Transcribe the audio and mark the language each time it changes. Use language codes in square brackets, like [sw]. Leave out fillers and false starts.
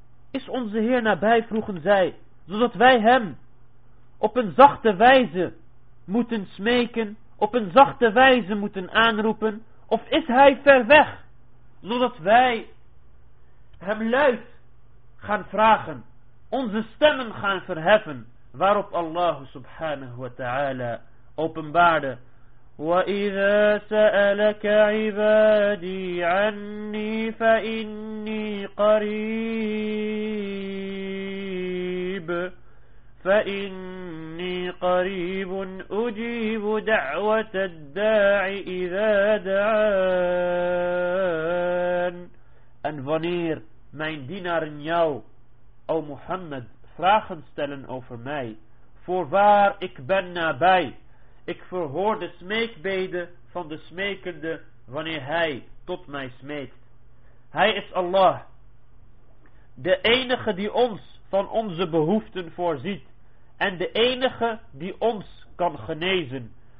[nl] Is onze Heer nabij, vroegen zij, zodat wij hem op een zachte wijze moeten smeken, op een zachte wijze moeten aanroepen? Of is hij ver weg, zodat wij hem luid gaan vragen, onze stemmen gaan verheffen? [ar] Waarop Allah subhanahu wa ta'ala openbaarde: وَإِذَا سَأَلَكَ عِبَادِي عَنِّي فَإِنِّي قَرِيبٌ أُجِيبُ دَعْوَةَ الدَّاعِ إِذَا دَعَانِ. [nl] En wanneer mijn dienaren jou, O Mohammed, vragen stellen over mij, voorwaar, ik ben nabij. Ik verhoor de smeekbeden van de smekende wanneer hij tot mij smeekt. Hij is Allah, de enige die ons van onze behoeften voorziet en de enige die ons kan genezen.